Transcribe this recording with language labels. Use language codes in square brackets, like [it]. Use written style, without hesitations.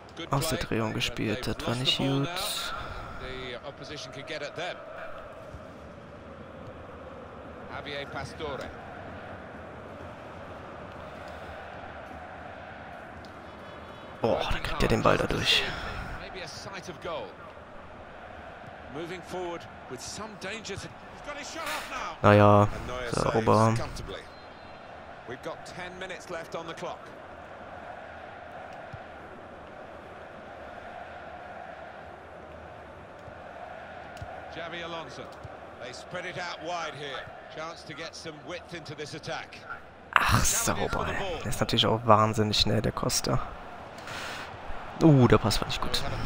[de] Aus der Drehung gespielt, das war nicht gut. [en] The opposition could get at them. Javier Pastore. [de] Oh, da kriegt er den Ball dadurch. [en] Maybe a sight of goal. Moving forward with some danger. He's got his shot off now. [de] Naja, sauber. [en] We've got 10 minutes left on the clock. Javi Alonso. They spread it out wide here. Chance to get some width into this attack. [de] Ach, sauber. Der ist natürlich auch wahnsinnig schnell, der Costa. Der Pass war nicht gut.